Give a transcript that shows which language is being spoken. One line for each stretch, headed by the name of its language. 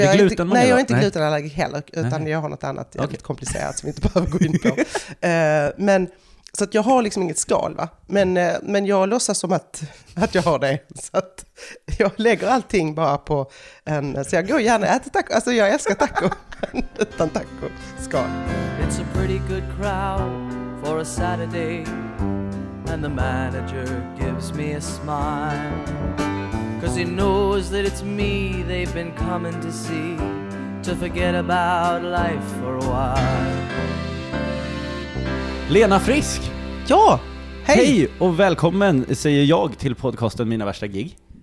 Swedish: jag är inte glutenallergisk heller. Utan jag har något annat jävligt komplicerat som vi inte behöver gå in på. Men så att jag har liksom inget skal, va? Men jag låtsas som att jag har det. Så att jag lägger allting bara på en. Så jag går gärna och äter taco. Alltså jag älskar taco. Utan taco skal.
English: It's a pretty good crowd for a Saturday, and the manager gives me a smile, 'cause he knows that it's me they've been coming to see, to forget about life for a while.
Swedish: Lena Frisk! Ja! Hej! Hej och välkommen, säger jag till podcasten Mina Värsta Gig.